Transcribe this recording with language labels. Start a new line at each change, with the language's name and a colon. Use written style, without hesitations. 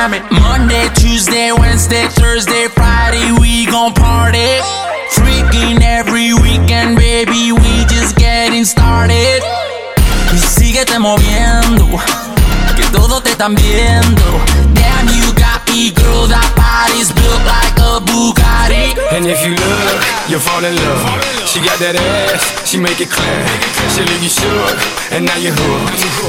English: Monday, Tuesday, Wednesday, Thursday, Friday, we gon' party. Freaking every weekend, baby, we just getting started.
Spanish: Y síguete moviendo, que todos te están viendo.
English: Damn, you got me, girl, that body's built like a Bugatti. And if you look, you fall in love. She got that ass, she make it clap. She leave you shook, and now you hooked.